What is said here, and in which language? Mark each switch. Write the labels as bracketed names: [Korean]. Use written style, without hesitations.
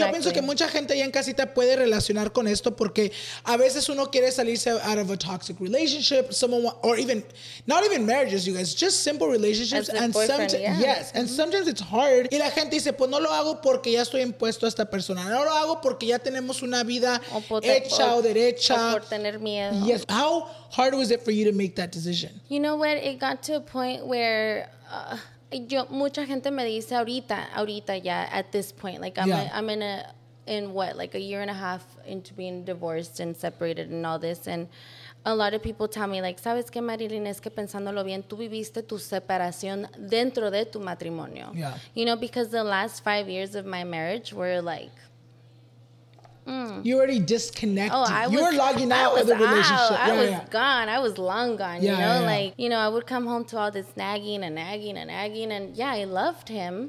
[Spanish] Y yo pienso que mucha gente ya en casita puede relacionar con esto porque a veces uno quiere salirse [English] out of a toxic relationship, not even marriages, you guys, just simple relationships. As and boyfriend, Yes, and sometimes it's hard. [Spanish] Y la gente dice, pues no lo hago porque ya estoy impuesto a esta persona. No lo hago porque ya tenemos una vida hecha o derecha. O por tener miedo. [English] Yes. How hard was it for you to make that decision? You know what? It got to a point where... [Spanish] mucha gente me dice ahorita ya, [English] at this point, like, I'm in a year and a half into being divorced and separated and all this, and a lot of people tell me, like, [Spanish] ¿sabes qué, [English] Marilyn? [Spanish] Es que pensándolo bien, tú viviste tu separación dentro de tu matrimonio. [English] Yeah. You know, because the last 5 years of my marriage were, like... You already disconnected. Oh, you were logging out of the relationship. I was gone. I was long gone. Yeah, you know, like, you know, I would come home to all this nagging. And yeah, I loved him.